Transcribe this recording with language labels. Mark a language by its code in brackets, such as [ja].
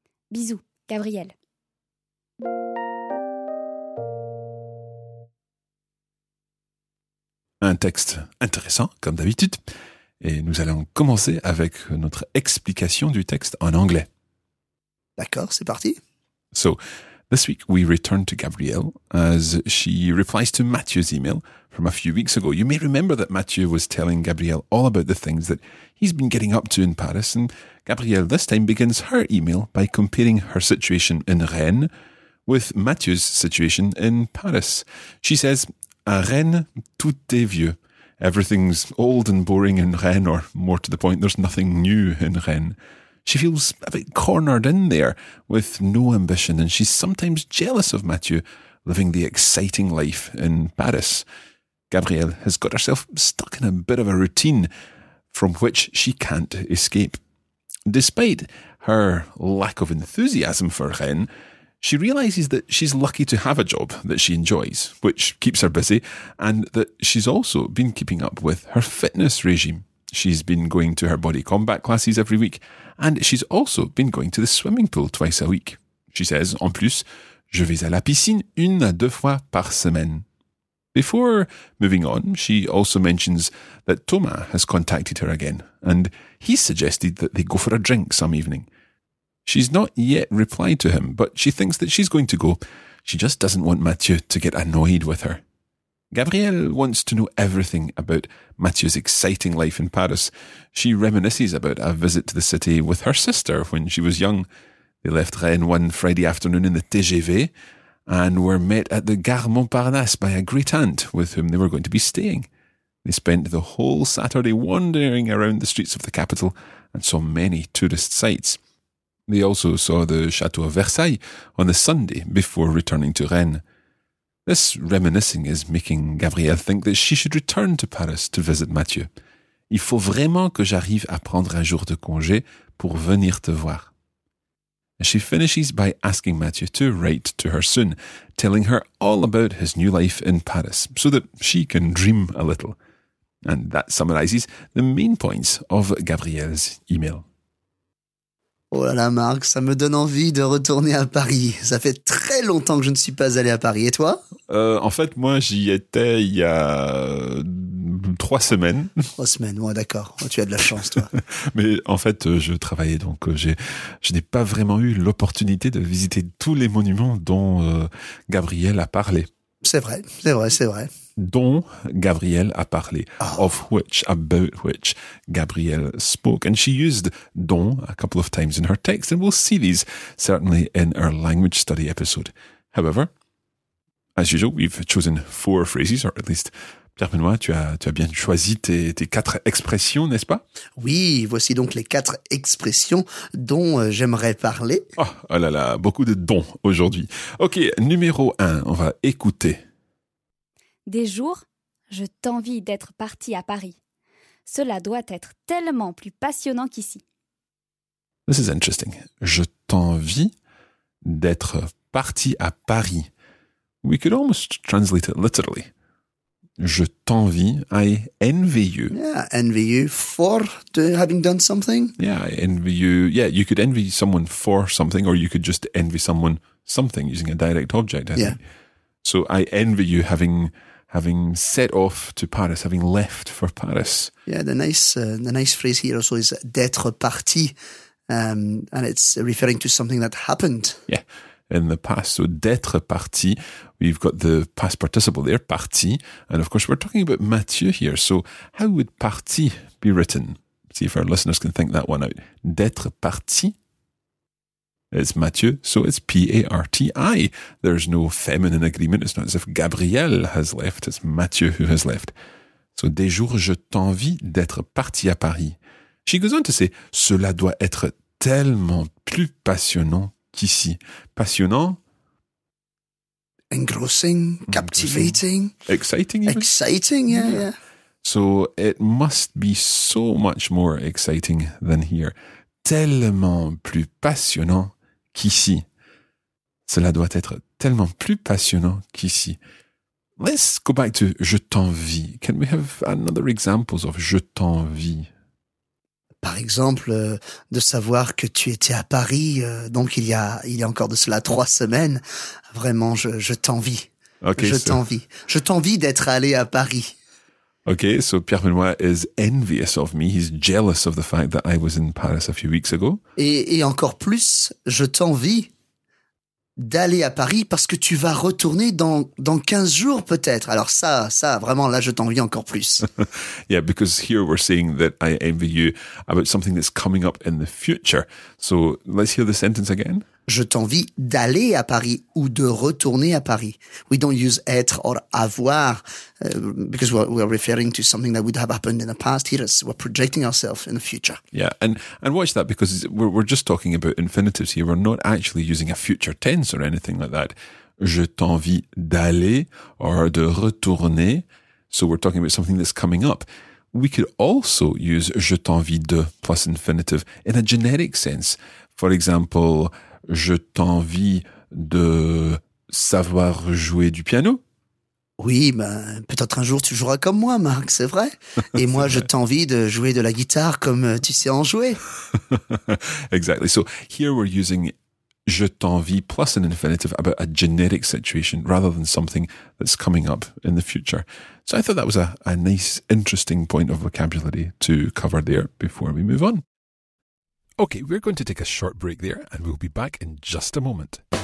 [fr] Bisous, Gabriel. Un texte intéressant, comme d'habitude. Et nous allons commencer avec notre explication du texte en anglais. D'accord, c'est parti. [en] So, this week we return to Gabrielle as she replies to Mathieu's email from a few weeks ago. You may remember that Mathieu was telling Gabrielle all about the things that he's been getting up to in Paris, and Gabrielle this time begins her email by comparing her situation in Rennes with Mathieu's situation in Paris. She says, [fr] à Rennes, tout est vieux. [en] Everything's old and boring in Rennes, or more to the point, there's nothing new in Rennes. She feels a bit cornered in there, with no ambition, and she's sometimes jealous of Mathieu, living the exciting life in Paris. Gabrielle has got herself stuck in a bit of a routine from which she can't escape. Despite her lack of enthusiasm for Rennes, she realises that she's lucky to have a job that she enjoys, which keeps her busy, and that she's also been keeping up with her fitness regime. She's been going to her body combat classes every week, and she's also been going to the swimming pool twice a week. She says, [fr] en plus, je vais à la piscine une à deux fois par semaine. [en] Before moving on, she also mentions that Thomas has contacted her again, and he's suggested that they go for a drink some evening. She's not yet replied to him, but she thinks that she's going to go. She just doesn't want Mathieu to get annoyed with her. Gabrielle wants to know everything about Mathieu's exciting life in Paris. She reminisces about a visit to the city with her sister when she was young. They left Rennes one Friday afternoon in the TGV and were met at the Gare Montparnasse by a great aunt with whom they were going to be staying. They spent the whole Saturday wandering around the streets of the capital and saw many tourist sights. They also saw the Chateau of Versailles on the Sunday before returning to Rennes. This reminiscing is making Gabrielle think that she should return to Paris to visit Mathieu. [fr] Il faut vraiment que j'arrive à prendre un jour de congé pour venir te voir. [en] She finishes by asking Mathieu to write to her soon, telling her all about his new life in Paris so that she can dream a little. And that summarizes the main points of Gabrielle's email. [fr] Oh là là, Marc, ça me donne envie de retourner à Paris. Ça fait très longtemps que je ne suis pas allé à Paris. Et toi? En fait, moi, j'y étais il y a 3 semaines. 3 semaines, ouais, d'accord. Oh, tu as de la chance, toi. Mais en fait, je travaillais, donc je n'ai pas vraiment eu l'opportunité de visiter tous les monuments dont Gabriel a parlé. C'est vrai, c'est vrai, c'est vrai. Dont Gabrielle a parlé, oh. [en] Of which, about which Gabrielle spoke. And she used dont a couple of times in her text, and we'll see these certainly in our language study episode. However, as usual, we've chosen 4 phrases, or at least, Pierre-Benoît, [fr] tu as bien choisi tes 4 expressions, n'est-ce pas? Oui, voici donc les 4 expressions dont j'aimerais parler. Oh, oh là là, beaucoup de dons aujourd'hui. Ok, numéro 1, on va écouter. Des jours, je t'envie d'être parti à Paris. Cela doit être tellement plus passionnant qu'ici. [en] This is interesting. [fr] Je t'envie d'être parti à Paris. [en] We could almost translate it literally. [fr] Je t'envie, [en] I envy you. Yeah, envy you for having done something. Yeah, I envy you. Yeah, you could envy someone for something, or you could just envy someone something using a direct object, I think. Yeah. So I envy you having set off to Paris, having left for Paris. Yeah, the nice phrase here also is [fr] d'être parti, [en] and it's referring to something that happened. Yeah, in the past. So [fr] d'être parti, [en] we've got the past participle there, parti, and of course we're talking about Mathieu here, so how would parti be written? See if our listeners can think that one out. [fr] D'être parti. [en] It's Mathieu, so it's P-A-R-T-I. There's no feminine agreement. It's not as if Gabrielle has left. It's Mathieu who has left. [fr] So, des jours, je t'envie d'être parti à Paris. [en] She goes on to say, [fr] cela doit être tellement plus passionnant qu'ici. Passionnant? [en] Engrossing, captivating. Exciting. Exciting, yeah, yeah. So, it must be so much more exciting than here. [fr] Tellement plus passionnant. Qu'ici. Cela doit être tellement plus passionnant qu'ici. [en] Let's go back to [fr] je t'envie. [en] Can we have another examples of je t'envie? [fr] Par exemple, de savoir que tu étais à Paris, donc il y a encore de cela 3 semaines. Vraiment, je t'envie. Okay, t'envie. Je t'envie d'être allé à Paris. [en] Okay, so Pierre-Benoît is envious of me. He's jealous of the fact that I was in Paris a few weeks ago. [fr] Et encore plus, je t'envie d'aller à Paris parce que tu vas retourner dans 15 jours peut-être. Alors ça, vraiment, là, je t'envie encore plus. [en] Yeah, because here we're saying that I envy you about something that's coming up in the future. So let's hear the sentence again. [fr] Je t'envie d'aller à Paris ou de retourner à Paris. [en] We don't use être or avoir because we're referring to something that would have happened in the past. Here, we're projecting ourselves in the future. Yeah, and watch that because we're just talking about infinitives here. We're not actually using a future tense or anything like that. [fr] Je t'envie d'aller or de retourner. [en] So we're talking about something that's coming up. We could also use [fr] je t'envie de [en] plus infinitive in a generic sense. For example, [fr] je t'envie de savoir jouer du piano. Oui, ben, peut-être un jour tu joueras comme moi, Marc, c'est vrai. Et c'est moi, vrai. Je t'envie de jouer de la guitare comme tu sais en jouer. [en] Exactly. So here we're using je t'envie plus an infinitive about a generic situation rather than something that's coming up in the future. So I thought that was a nice, interesting point of vocabulary to cover there before we move on. Okay, we're going to take a short break there and we'll be back in just a moment.